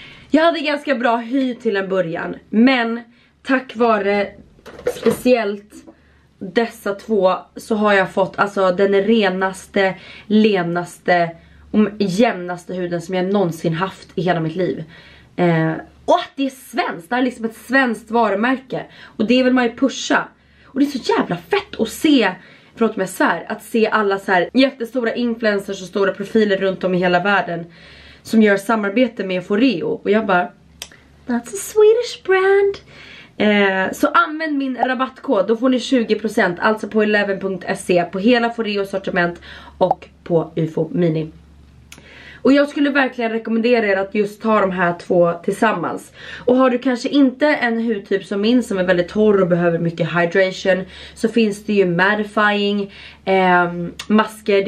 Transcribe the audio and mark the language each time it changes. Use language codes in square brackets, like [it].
[sv] Jag hade ganska bra hy till en början. Men tack vare speciellt dessa två så har jag fått alltså den renaste, lenaste och jämnaste huden som jag någonsin haft i hela mitt liv. Och att det är svenskt, det är liksom ett svenskt varumärke. Och det vill man ju pusha. Och det är så jävla fett att se, förlåt mig svär, att se alla så här jättestora influencers och stora profiler runt om i hela världen som gör samarbete med Foreo. Och jag bara, [en] that's a Swedish brand. [sv] Så använd min rabattkod, då får ni 20%, alltså på 11.se, på hela Foreos sortiment och på UFO Mini. Och jag skulle verkligen rekommendera er att just ta de här två tillsammans. Och har du kanske inte en hudtyp som min som är väldigt torr och behöver mycket hydration, så finns det ju mattifying masker.